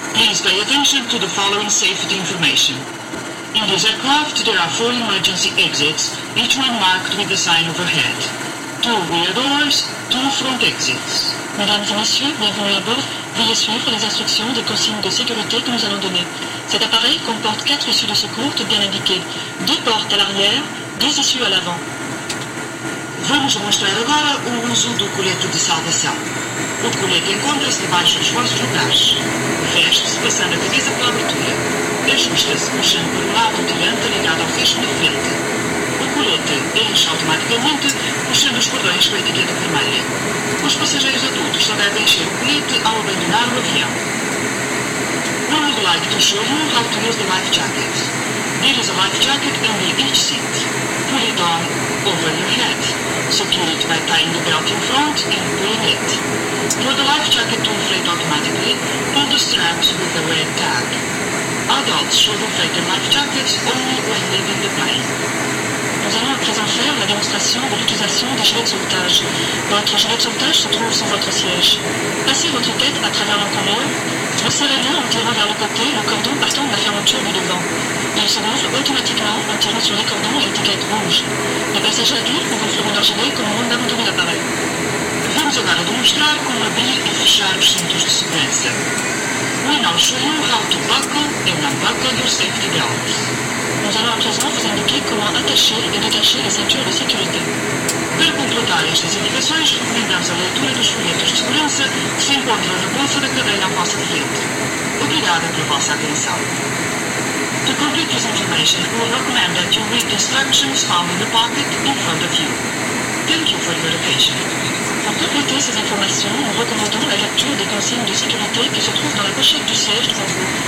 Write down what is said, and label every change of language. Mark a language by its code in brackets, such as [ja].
[en] Please pay attention to the following safety information. In this aircraft, there are 4 emergency exits, each one marked with a sign overhead. 2 rear doors, 2 front exits. [fr] Mesdames et messieurs, bienvenue à bord. Veuillez suivre les instructions des consignes de sécurité que nous allons donner. Cet appareil comporte 4 issues de secours toutes bien indiquées. 2 portes à l'arrière, 10 issues à l'avant. [pt] Vamos mostrar agora o uso do colete de salvação. O colete encontra-se debaixo dos vossos lugares. Veste-se passando a cabeça pela abertura. Ajusta-se puxando para o lado diante ligado ao fecho da frente. O colete enche automaticamente puxando os cordões com a etiqueta vermelha. Os passageiros adultos só devem encher o colete ao abandonar o avião. [en] No lado like do show, you have to use the life jacket. There is a life jacket under each seat. Put it on over your head. Secure it by tying the belt in front and pulling it. For the life jacket to inflate automatically, pull the straps with the red tag. Adults should inflate their life jackets only when leaving the plane. [fr] Nous allons à présent faire la démonstration de l'utilisation des gilets de sauvetage. Votre gilet de sauvetage se trouve sur votre siège. Passez votre tête à travers l'encolure. Vous serrez-le en tirant vers le côté, le cordon partant de la fermeture du devant. Il se gonfle automatiquement en tirant sur les cordons et l'étiquette rouge. Les passagers adultes vous gonfleront leur gilet comme au moment d'abandonner l'appareil. [pt] Vamos agora demonstrar como abrir e fechar os cintos de segurança. [en] We now show you how to buckle and unbuckle your safety belt. [fr] Nous allons à présent vous indiquer comment attacher et détacher les ceintures de sécurité. Pour compléter ces indications, je vous invite à la lecture des folders de sécurité qui se trouvent dans la [pt] bolsa [fr] de cadeille à votre [pt] frente. Obrigada [fr] pour votre attention. [en] To complete this information, we recommend that you read the instructions found in the pocket in front of you. Thank you for your attention. [fr] Pour compléter ces informations, nous recommandons la lecture des consignes de sécurité qui se trouvent dans la pochette du siège devant vous.